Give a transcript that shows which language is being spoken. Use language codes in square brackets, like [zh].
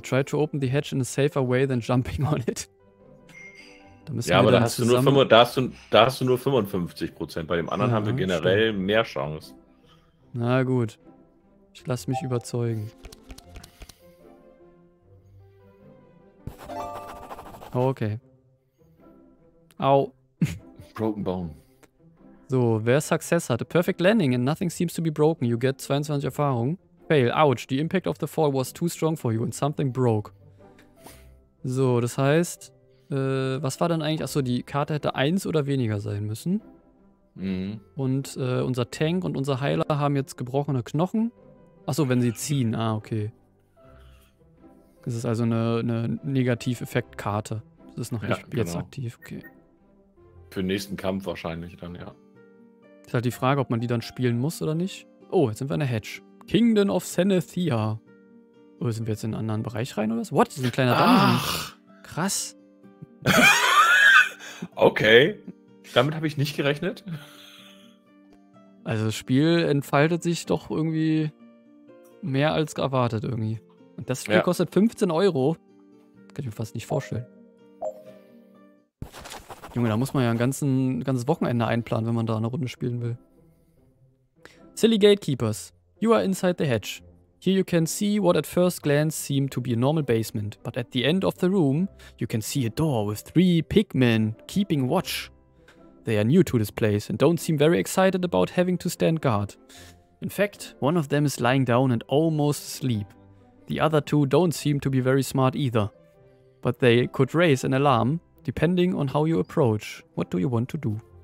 [en] Try to open the hedge in a safer way than jumping on it. [de] Da ja, aber da hast, zusammen... nur 5, da hast du nur 55%. Bei dem anderen haben wir generell mehr Chance. Na gut. Ich lass mich überzeugen. Okay. Au. [en] Broken bone. [de] So, wer Success hat? [en] A perfect landing and nothing seems to be broken. You get 22 Erfahrungen. Fail. Ouch. The impact of the fall was too strong for you and something broke. [de] So, das heißt... was war dann eigentlich? Achso, die Karte hätte 1 oder weniger sein müssen. Mhm. Und unser Tank und unser Heiler haben jetzt gebrochene Knochen. Achso, wenn sie ziehen. Ah, okay. Das ist also eine Negativ-Effekt-Karte. Das ist noch ja, nicht genau. Jetzt aktiv. Okay. Für den nächsten Kampf wahrscheinlich dann, ja. Ist halt die Frage, ob man die dann spielen muss oder nicht. Oh, jetzt sind wir in der Hedge. Kingdom of Senethia. Oh, sind wir jetzt in einen anderen Bereich rein oder was? What? Das ist ein kleiner Dungeon. Ach. Krass. Okay, damit habe ich nicht gerechnet. Also das Spiel entfaltet sich doch irgendwie mehr als erwartet irgendwie. Und das Spiel kostet 15 Euro. Kann ich mir fast nicht vorstellen. Junge, da muss man ja ein ganzes Wochenende einplanen, wenn man da eine Runde spielen will. [en] Silly Gatekeepers, you are inside the hedge. Here you can see what at first glance seemed to be a normal basement, but at the end of the room, you can see a door with 3 pigmen keeping watch. They are new to this place and don't seem very excited about having to stand guard. In fact, one of them is lying down and almost asleep. The other 2 don't seem to be very smart either, but they could raise an alarm depending on how you approach. What do you want to do?